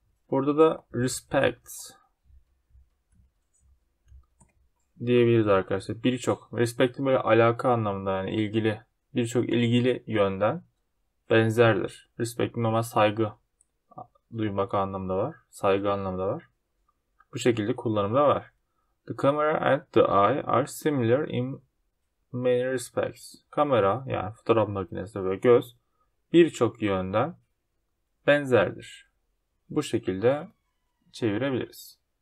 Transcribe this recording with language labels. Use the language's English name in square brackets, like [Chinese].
[Turkish] Burada da respect diyebiliriz arkadaşlar. Birçok. Respect'in böyle alaka anlamında yani ilgili. Birçok ilgili yönden. Benzerdir. Respect normal saygı duymak anlamında var. Saygı anlamında var. Bu şekilde kullanımda var. [English] The camera and the eye are similar in many respects. [Turkish] Kamera yani fotoğraf makinesi ve göz birçok yönden benzerdir. Bu şekilde çevirebiliriz.